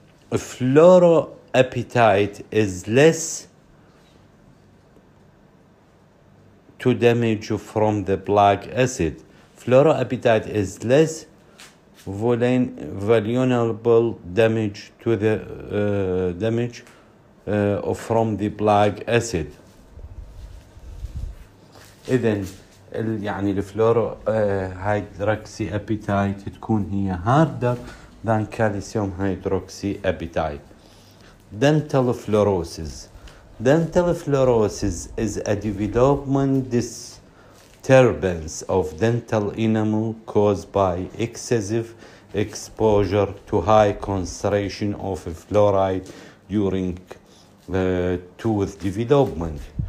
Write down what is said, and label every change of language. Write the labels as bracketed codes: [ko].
[en] Fluoroapatite is less to damage from the black acid. Fluoroapatite is less vulnerable damage to the from the black acid. [ar] إذن يعني الفلورو هيدروكسي أبيتايت تكون هي [en] harder than calcium hydroxy apatite. Dental fluorosis. Dental fluorosis is a development disturbance of dental enamel caused by excessive exposure to high concentration of fluoride during tooth development.